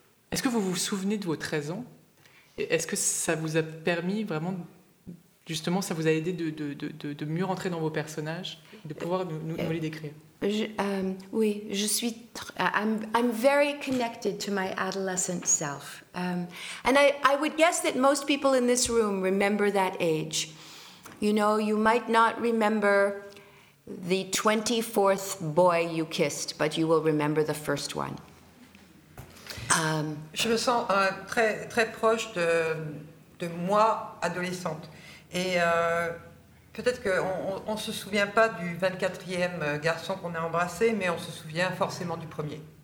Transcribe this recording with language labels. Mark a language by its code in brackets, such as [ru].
[fr] Est-ce que vous vous souvenez de vos 13 ans? Est-ce que ça vous a permis vraiment, justement, ça vous a aidé de mieux rentrer dans vos personnages, de pouvoir nous les décrire? Je suis. [en] I'm very connected to my adolescent self, and I would guess that most people in this room remember that age. You know, you might not remember the 24th boy you kissed, but you will remember the first one. [fr] Je me sens très très proche de moi adolescente, et peut-être qu'on se souvient pas du 24e garçon qu'on a embrassé, mais on se souvient forcément du premier.